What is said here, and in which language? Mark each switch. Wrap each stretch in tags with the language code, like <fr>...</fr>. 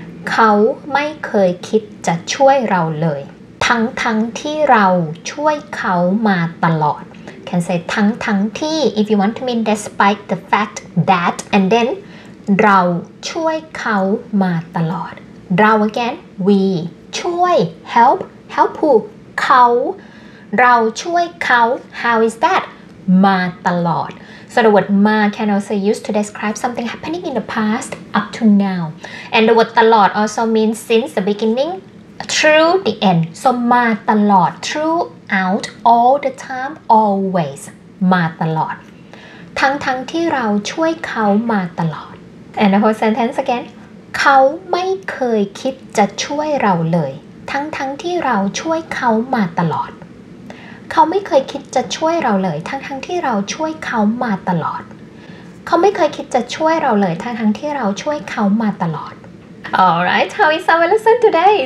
<th>เขาไม่เคยคิดจะช่วยเราเลยทั้งที่เราช่วยเขามาตลอด</th> <en>can say ทั้งที่ if you want to mean despite the fact that and then เราช่วยเขามาตลอดเรา again we ช่วย help who เขาเราช่วยเขา how is that มาตลอดSo the word ma can also use to describe something happening in the past up to now. And the word ตลอด also means since the beginning through the end. So ma ตลอด throughout all the time always ma ตลอด</en> <th>ทั้งที่เราช่วยเขามาตลอด</th> <en>And the whole sentence again.</en> <th>เขาไม่เคยคิดจะช่วยเราเลยทั้งที่เราช่วยเขามาตลอดเขาไม่เคยคิดจะช่วยเราเลยทั้งที่เราช่วยเขามาตลอดเขาไม่เคยคิดจะช่วยเราเลยทั้งที่เราช่วยเขามาตลอด</th> <en>Alright, how is our lesson today?</en>